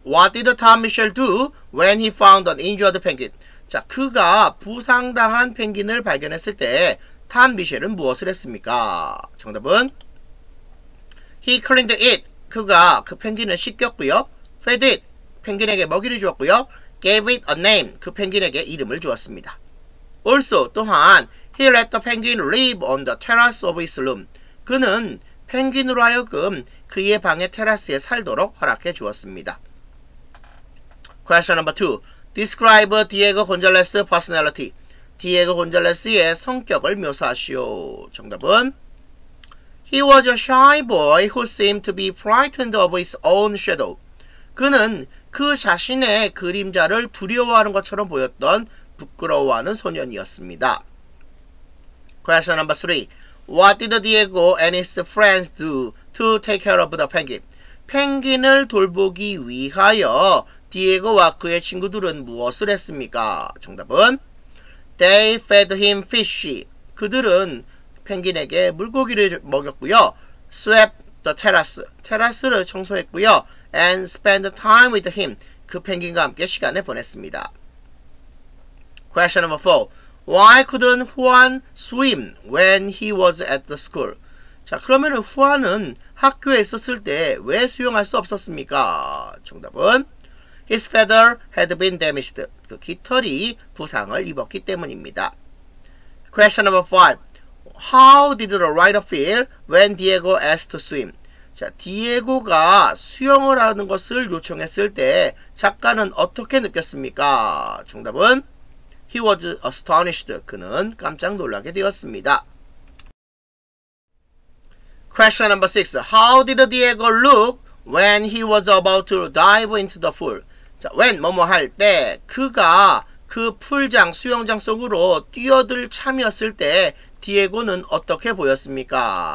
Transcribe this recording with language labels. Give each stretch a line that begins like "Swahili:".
English: What did Tom Michel do when he found an injured penguin?
Korean: 자, 그가 부상당한 펭귄을 발견했을 때 탐 미셸은 무엇을 했습니까? 정답은
English: He cleaned it.
Korean: 그가 그 펭귄을 씻겼고요.
English: Fed it.
Korean: 펭귄에게 먹이를 주었고요.
English: Gave it a name.
Korean: 그 펭귄에게 이름을 주었습니다.
English: Also,
Korean: 또한
English: He let the penguin live on the terrace of his room.
Korean: 그는 펭귄으로 하여금 그의 방의 테라스에 살도록 허락해 주었습니다.
English: Question number 2. Describe Diego Gonzalez's personality.
Korean: Diego Gonzalez의 성격을 묘사하시오. 정답은
English: He was a shy boy who seemed to be frightened of his own shadow.
Korean: 그는 그 자신의 그림자를 두려워하는 것처럼 보였던 부끄러워하는 소년이었습니다.
English: Question number 3. What did Diego and his friends do to take care of the penguin?
Korean: 펭귄을 돌보기 위하여 디에고와 그의 친구들은 무엇을 했습니까? 정답은
English: They fed him fish.
Korean: 그들은 펭귄에게 물고기를 먹였고요.
English: Swept the terrace.
Korean: 테라스를 청소했고요.
English: And spent time with him.
Korean: 그 펭귄과 함께 시간을 보냈습니다.
English: Question number 4. Why couldn't Juan swim when he was at the school?
Korean: 자, 그러면 후안은 학교에 있었을 때 왜 수영할 수 없었습니까? 정답은
English: His feather had been damaged.
Korean: 그 깃털이 부상을 입었기 때문입니다.
English: Question number 5. How did the rider feel when Diego asked to swim?
Korean: 자, 디에고가 수영을 하는 것을 요청했을 때 작가는 어떻게 느꼈습니까? 정답은
English: He was astonished.
Korean: 그는 깜짝 놀라게 되었습니다.
English: Question number 6. How did Diego look when he was about to dive into the pool?
Korean: 자, when, 뭐뭐 할 때, 그가 그 풀장, 수영장 속으로 뛰어들 참이었을 때, 디에고는 어떻게 보였습니까?